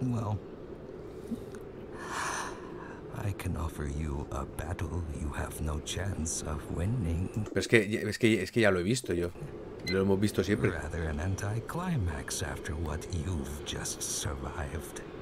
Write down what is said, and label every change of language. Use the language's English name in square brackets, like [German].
[English] Well, I can offer you a battle you have no chance of winning. [Spanish] Pero es que ya lo he visto yo. Lo hemos visto siempre. [English] Rather an anti-climax after what you've just survived.